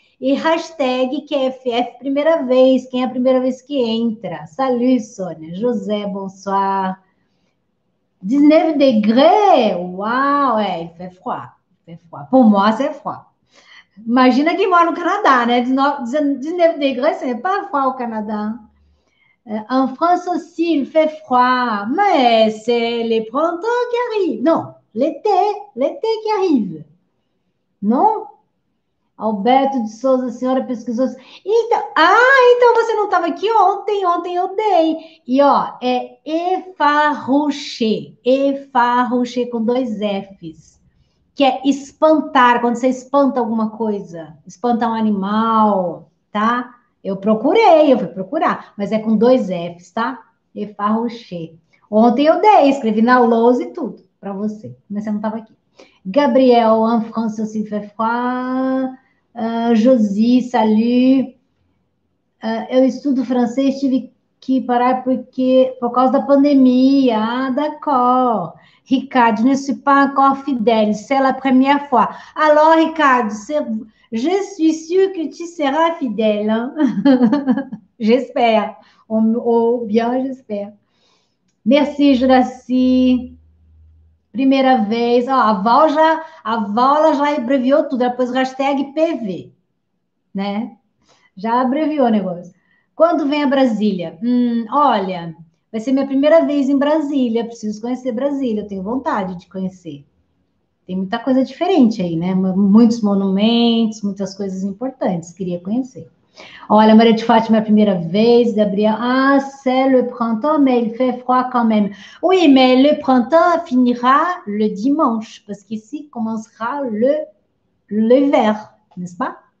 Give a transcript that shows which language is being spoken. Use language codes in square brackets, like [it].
[pt] E hashtag QFF, primeira vez, quem é a primeira vez que entra? [fr] Salut, Sônia. José, bonsoir. 19 degrés? Uau, é, il fait froid. Pour moi, c'est froid. [pt] Imagina quem mora no Canadá, né? [fr] 19 degrés, c'est pas froid au Canadá. En France aussi, il fait froid. Mais c'est le printemps qui arrive. Non, l'été. L'été qui arrive. Non? Alberto de Souza, [pt] a senhora pesquisou. Então, então você não estava aqui ontem. Ontem eu dei. E, ó, é effarouché. Effarouché com dois Fs. Que é espantar. Quando você espanta alguma coisa. Espantar um animal, tá? Eu procurei, eu fui procurar, mas é com dois Fs, tá? E farruchê. Ontem eu dei, escrevi na lousa e tudo, para você, mas você não tava aqui. [fr] Gabriel, en France aussi, fait froid. Josie, salut. [pt] Eu estudo francês, tive que parar porque, por causa da pandemia. [fr] Ah, d'accord. Ricardo, ne suis pas encore fidèle, c'est la première fois. Alors, Ricardo, c'est... Je suis sûre que tu seras fidèle. J'espère. Ou bien, j'espère. Merci, Juraci. [pt] Primeira vez. Oh, a Val já abreviou tudo. Ela pôs hashtag PV. Né? Já abreviou o negócio. Quando vem a Brasília? Olha, vai ser minha primeira vez em Brasília. Preciso conhecer Brasília. Eu tenho vontade de conhecer. Tem muita coisa diferente aí, né? Muitos monumentos, muitas coisas importantes. Queria conhecer. Olha, Maria de Fátima é a primeira vez, Gabriel. [fr] Ah, c'est le printemps, mais il fait froid quand même. Oui, mais le printemps finira le dimanche, parce qu'ici commencera l'hiver, n'est-ce pas?